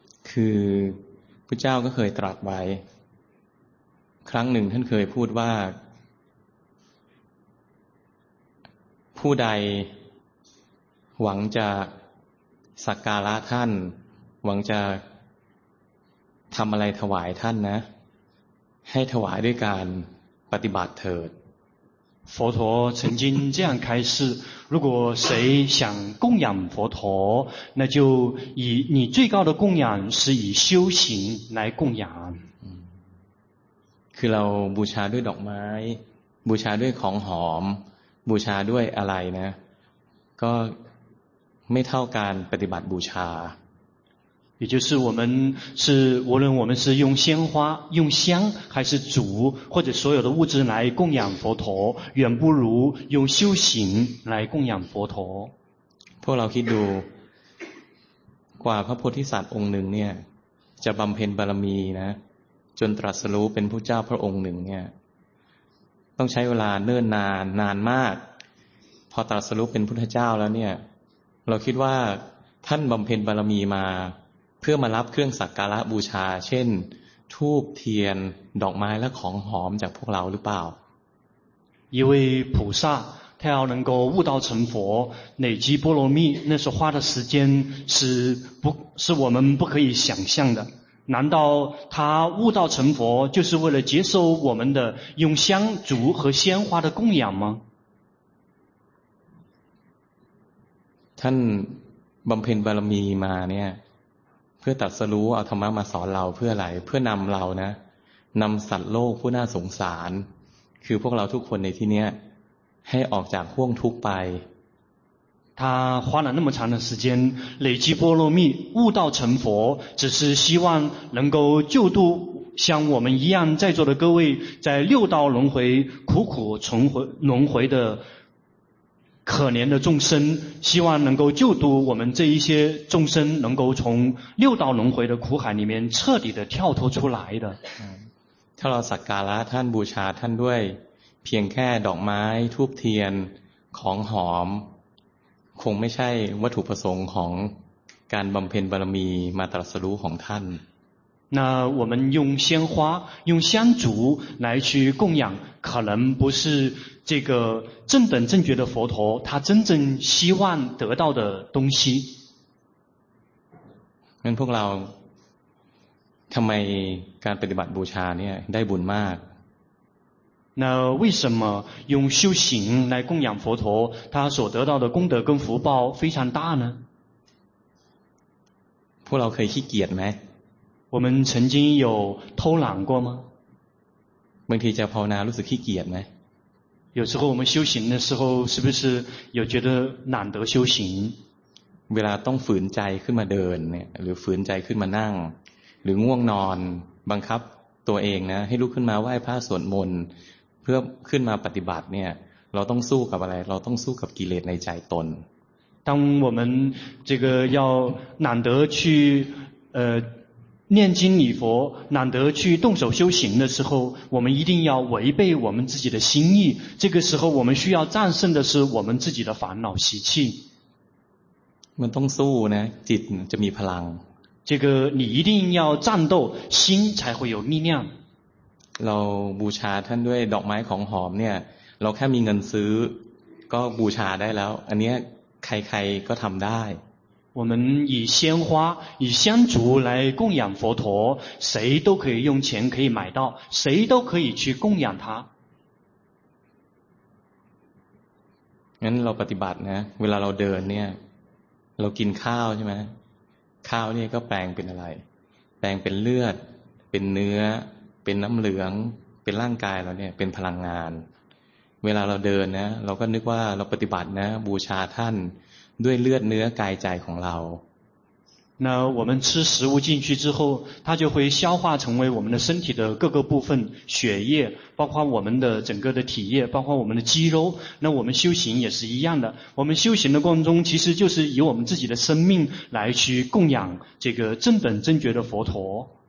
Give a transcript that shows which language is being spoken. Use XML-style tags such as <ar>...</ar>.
<th>คือพระเจ้าก็เคยตรัสไว้ครั้งหนึ่งท่านเคยพูดว่าผู้ใดหวังจะสักการะท่านหวังจะทำอะไรถวายท่านนะให้ถวายด้วยการปฏิบัติเถิด</th> <zh>佛陀曾经这样开示如果谁想供养佛陀那就以你最高的供养是以修行来供养</zh> <th>คือเราบูชาด้วยดอกไม้บูชาด้วยของหอมบูชาด้วยอะไรนะก็ไม่เท่าการปฏิบัติบูชา</th> <zh>也就是我们是无论我们是用鲜花用香还是烛或者所有的物质来供养佛陀远不如用修行来供养佛陀</zh> <th>พวกเราคิดดูกว่าพระโพธิสัตว์องค์หนึ่งเนี่ยจะบำเพ็ญบารมีนะจนตรัสรู้เป็นพระเจ้าพระองค์หนึ่งเนี่ยต้องใช้เวลาเนิ่นนานนานมากพอตรัสรู้เป็นพุทธเจ้าแล้วเนี่ยเราคิดว่าท่านบำเพ็ญบารมีมาเพื่อมารับเครื่องสักการะบูชาเช่นธูปเทียนดอกไม้และของหอมจากพวกเราหรือเปล่า</th> <zh>一位菩萨他要能够悟道成佛累积波罗蜜那是花的时间是我们不可以想象的难道他悟道成佛就是为了接受我们的用香烛和鲜花的供养吗</zh> <th>ท่านบำเพ็ญบารมีมาเนี่ยเพื่อตรัสรู้เอาธรรมะมาสอนเราเพื่ออะไรเพื่อนำเรานะนำสัตว์โลกผู้น่าสงสารคือพวกเราทุกคนในที่นี้ให้ออกจากห้วงทุกข์ไป</th> <zh>他花了那么长的时间累积波罗蜜悟道成佛只是希望能够救度像我们一样在座的各位在六道轮回苦苦重回轮回的可怜的众生希望能够救度我们这一些众生能够从六道轮回的苦海里面彻底的跳脱出来的</zh> <th>ถ้าเราสักการะท่านบูชาท่านด้วยเพียงแค่ดอกไม้ธูปเทียนของหอมคงไม่ใช่วัตถุประสงค์ของการบำเพ็ญบารมีมาตรัสรู้ของท่าน</th> <zh>那我们用鲜花用香烛来去供养可能不是这个正等正觉的佛陀他真正希望得到的东西</zh> <th>เราพวกเราทำไมการปฏิบัติบูชาเนี่ยได้บุญมาก</th> <zh>那为什么用修行来供养佛陀他所得到的功德跟福报非常大呢</zh> <th>พวกเราเคยขี้เกียจไหม</th> <zh>我们曾经有偷懒过吗</zh> <th>บางทีจะภาวนารู้สึกขี้เกียจไหม</th> <zh>有时候我们修行的时候是不是有觉得懒得修行</zh> <th>เวลาต้องฝืนใจขึ้นมาเดินเนี่ยหรือฝืนใจขึ้นมานั่งหรือง่วงนอนบังคับตัวเองนะให้ลุกขึ้นมาไหว้พระสวดมนต์เพื่อขึ้นมาปฏิบัติเนี่ยเราต้องสู้กับอะไรเราต้องสู้กับกิเลสในใจตน</th> <zh>当我们这个要懒得去念经礼佛懒得去动手修行的时候我们一定要违背我们自己的心意这个时候我们需要战胜的是我们自己的烦恼习气</zh> <th>มันต้องสู้นะจิตจะมีพลัง</th> <zh>这个你一定要战斗心才会有力量</zh> <th>เราบูชาท่านด้วยดอกไม้ของหอมเนี่ยเราแค่มีเงินซื้อก็บูชาได้แล้วอันนี้ใครๆก็ทำได้</th> <zh>我们以鲜花以香烛来供养佛陀谁都可以用钱可以买到谁都可以去供养他</zh> <th>งั้นเราปฏิบัตินะเวลาเราเดินเนี่ยเรากินข้าวใช่ไหมข้าวเนี่ยก็แปลงเป็นอะไรแปลงเป็นเลือดเป็นเนื้อเป็นน้ำเหลืองเป็นร่างกายเราเนี่ยเป็นพลังงานเวลาเราเดินนะเราก็นึกว่าเราปฏิบัตินะบูชาท่านด้วยเลือดเนื้อกายใจของเรา</th> <zh>那我们吃食物进去之后它就会消化成为我们的身体的各个部分血液包括我们的整个的体液包括我们的肌肉那我们修行也是一样的我们修行的过程中其实就是以我们自己的生命来去供养这个正等正觉的佛陀</zh>